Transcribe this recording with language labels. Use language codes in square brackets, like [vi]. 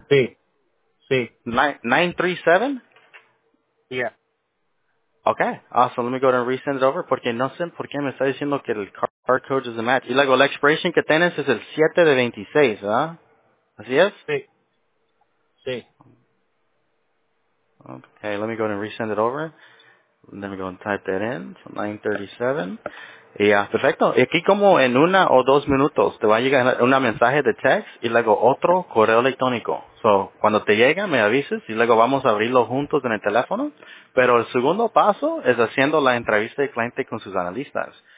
[es] Sí, sí. 937? [en] Yeah. Okay, awesome. Let me go ahead and resend it over, [es] porque no sé por qué me está diciendo que el [en] car code is a match. [es] Y luego, la expiration que tienes es el 7 de 26, ¿verdad? ¿Así es? Sí. Sí. [en] Okay, let me go ahead and resend it over. Let me go and type that in. So 937. Ya, yeah, perfecto. [es] Y aquí como en una o dos minutos te va a llegar una mensaje de text y luego otro correo electrónico. So, cuando te llega, me avises y luego vamos a abrirlo juntos en el teléfono. Pero el segundo paso es haciendo la entrevista de cliente con sus analistas.